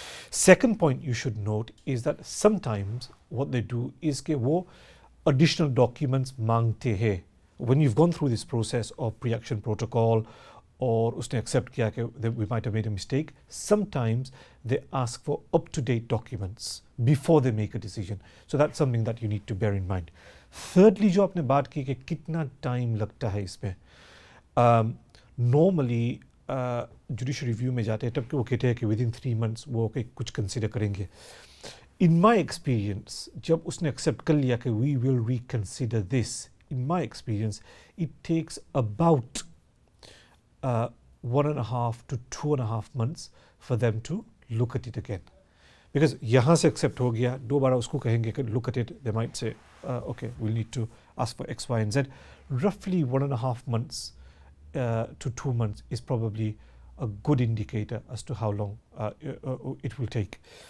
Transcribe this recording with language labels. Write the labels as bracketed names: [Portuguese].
[English] Second point you should note is that sometimes what they do is [Hindi] ke wo additional documents mangte hai. [English] When you've gone through this process of pre-action protocol or [Hindi] usne accept kiya ke [English] that we might have made a mistake, sometimes they ask for up-to-date documents before they make a decision. So that's something that you need to bear in mind. [Hindi] Thirdly जो आपने बात की कि कितना time लगता है इसमें, normally judicial review में जाते हैं तब के वो कहते हैं कि [English] with in 3 months [Hindi] वो के कुछ कंसिडर करेंगे. [English] in my experience [Hindi] जब उसने एक्सेप्ट कर लिया कि [English] We will reconsider this, in my experience it takes about 1.5 to 2.5 months for them to look at it again. Because [Hindi] yahan se accept ho gaya, do bara usko kahenge, [English] look at it, they might say, okay, we'll need to ask for X, Y, and Z. Roughly 1.5 months to 2 months is probably a good indicator as to how long it will take.